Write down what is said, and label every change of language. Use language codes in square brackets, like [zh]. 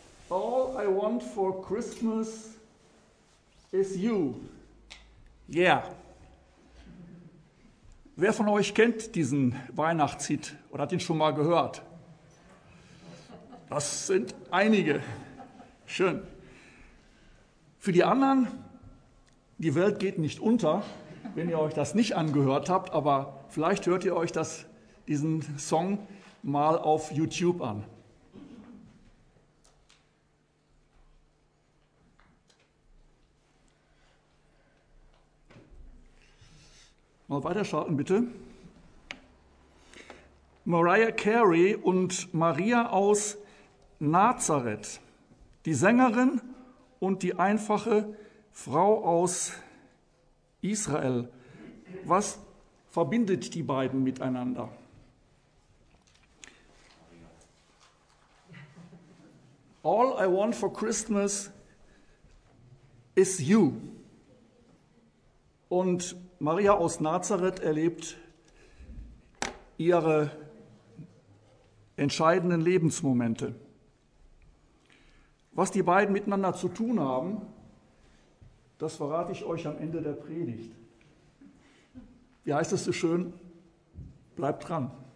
[en] All I want for Christmas is you. Yeah. [de] Wer von euch kennt diesen Weihnachtshit oder hat ihn schon mal gehört? Das sind einige. Schön. Für die anderen, die Welt geht nicht unter, wenn ihr euch das nicht angehört habt, aber vielleicht hört ihr euch diesen Song mal auf YouTube an. Mal weiterschalten, bitte. Mariah Carey und Maria aus Nazareth, die Sängerin und die einfache Frau aus Israel. Was verbindet die beiden miteinander? [en] All I want for Christmas is you. [de] Und Maria aus Nazareth erlebt ihre entscheidenden Lebensmomente. Was die beiden miteinander zu tun haben, das verrate ich euch am Ende der Predigt. Wie heißt es so schön? Bleibt dran.